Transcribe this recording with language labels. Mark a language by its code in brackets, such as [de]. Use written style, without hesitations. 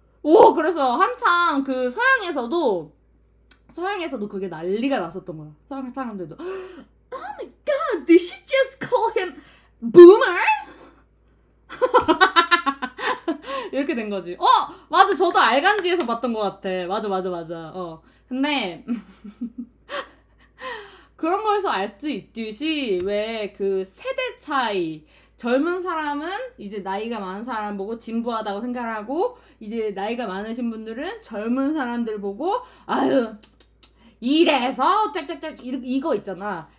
[ko] 오, 그래서 한창 그 서양에서도 그게 난리가 났었던 거야. 서양 사람들도. [en] Oh my god, did she just call him boomer? [ko] 이렇게 된 거지. 맞아, 저도 알간지에서 봤던 것 같아. 맞아. 근데, 그런 거에서 알수 있듯이, 왜그 세대 차이, 젊은 사람은 이제 나이가 많은 사람 보고 진부하다고 생각하고, 이제 나이가 많으신 분들은 젊은 사람들 보고, 아유, 이래서, 짝짝짝, 이거 있잖아.